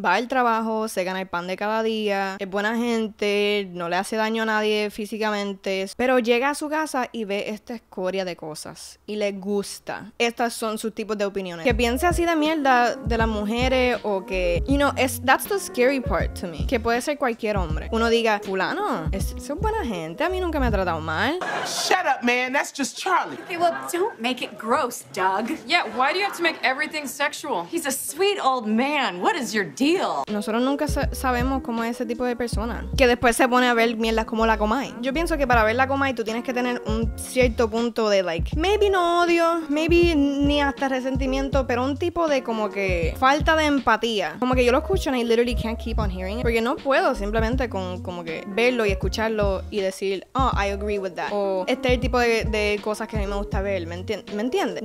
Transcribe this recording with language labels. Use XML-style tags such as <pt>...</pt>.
<es>Va al trabajo, se gana el pan de cada día, es buena gente, no le hace daño a nadie físicamente, pero llega a su casa y ve esta escoria de cosas y le gusta. Estas son sus tipos de opiniones. Que piense así de mierda de las mujeres o que,</es> <en>you know, that's the scary part to me.</en> <es>Que puede ser cualquier hombre. Uno diga, fulano, son buena gente, a mí nunca me ha tratado mal.</es> <en>Shut up, man, that's just Charlie. Okay, well, don't make it gross, Doug. Yeah, why do you have to make everything sexual? He's a sweet old man, what is your deal?</en> <es>Nosotros nunca sabemos cómo es ese tipo de persona que después se pone a ver mierdas como la Gomay. Yo pienso que para ver la Gomay tú tienes que tener un cierto punto de, like, maybe no odio, maybe ni hasta resentimiento, pero un tipo de como que falta de empatía. Como que yo lo escucho</es> <en>and I literally can't keep on hearing it.</en> <es>Porque no puedo simplemente con como que verlo y escucharlo y decir,</es> <en>oh, I agree with that,</en> <es>o este es el tipo de cosas que a mí me gusta ver. ¿Me entiendes?</es>